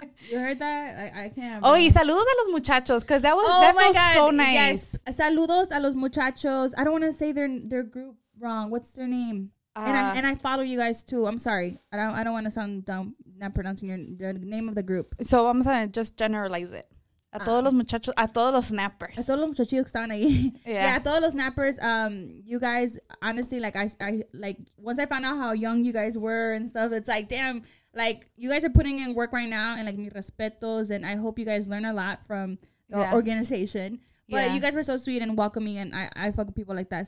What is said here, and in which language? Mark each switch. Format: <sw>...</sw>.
<en>You heard that? I can't. Bro. Oh,</en> <es>y saludos a los muchachos,</es> <en>because that was so nice. Yes.</en> <es>Saludos a los muchachos.</es> <en>I don't want to say their group wrong. What's their name? And I follow you guys too. I'm sorry. I don't want to sound dumb, not pronouncing the name of the group. So I'm going to just generalize it.</en> <es>A todos los muchachos, a todos los snappers. A todos los muchachos que estaban ahí. Yeah, a todos los snappers.</es> <en>You guys, honestly, like, I like, once I found out how young you guys were and stuff, it's like, damn, like, you guys are putting in work right now, and, like,</en> <es>mis respetos,</es> <en>and I hope you guys learn a lot from the organization. But you guys were so sweet and welcoming, and I fuck with people like that.</en>